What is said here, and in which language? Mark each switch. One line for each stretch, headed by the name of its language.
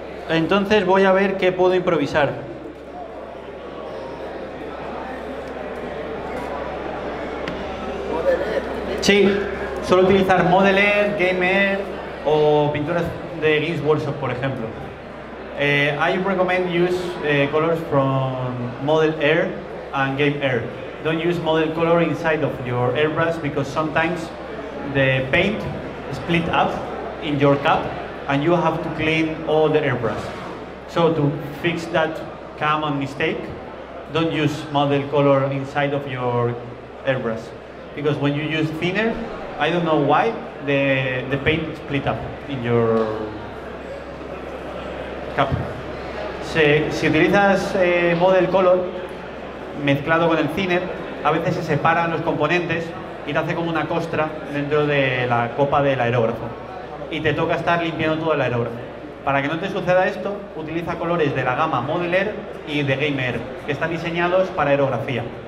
Spanish: Entonces voy a ver qué puedo improvisar. Sí, suelo utilizar Modeler, Gamer o pinturas de Games Workshop, por ejemplo.
English: I recommend use colors from Modeler and Gamer. Don't use model color inside of your airbrush, because sometimes the paint split up in your cup and you have to clean all the airbrush. So to fix that common mistake, don't use model color inside of your airbrush, because when you use thinner, I don't know why, the paint split up in your cup.
Spanish: Si utilizas model color mezclado con el thinner, a veces se separan los componentes y te hace como una costra dentro de la copa del aerógrafo. Y te toca estar limpiando todo el aerógrafo. Para que no te suceda esto, utiliza colores de la gama Modeler y de Gamer, que están diseñados para aerografía.